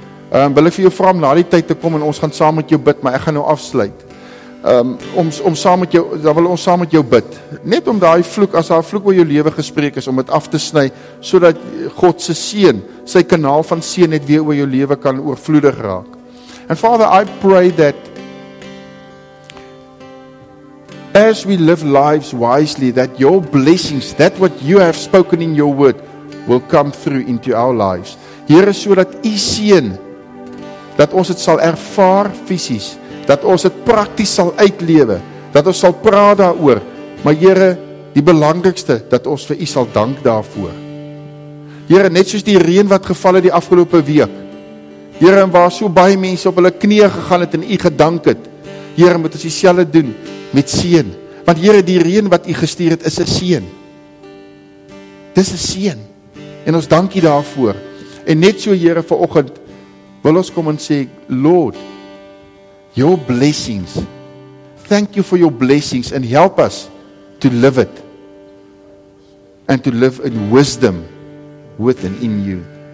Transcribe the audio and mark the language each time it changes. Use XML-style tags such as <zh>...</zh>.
<af>Wil ek vir jou vra om na die tyd te kom en ons gaan saam met jou bid, maar ek gaan nou afsluit. Om saam met jou, dan wil ons saam met jou bid. Net om daai vloek, as daai vloek oor jou lewe gespreek is, om dit af te sny, sodat God se seën, sy kanaal van seën net weer oor jou lewe kan oorvloedig raak.</af> <en>And Father, I pray that as we live lives wisely, that your blessings, that what you have spoken in your word, will come through into our lives.</en> <af>Here is sodat u seën, dat ons het sal ervaar fysisk, dat ons het prakties sal uitlewe, dat ons sal praat daaroor, maar Here, die belangrikste, dat ons vir u sal dank daarvoor. Here, net soos die reën wat geval het die afgelope week, Here, en waar so baie mense op hulle knieën gegaan het en u gedank het, Here, moet ons dieselfde doen met seën, want Here, die reën wat u gestuur het, is 'n seën. Dis 'n seën. En ons dank u daarvoor. En net so, Here, vanoggend wil ons kom en sê,</af> <en>Lord, your blessings, thank you for your blessings and help us to live it and to live in wisdom with and in you.</en>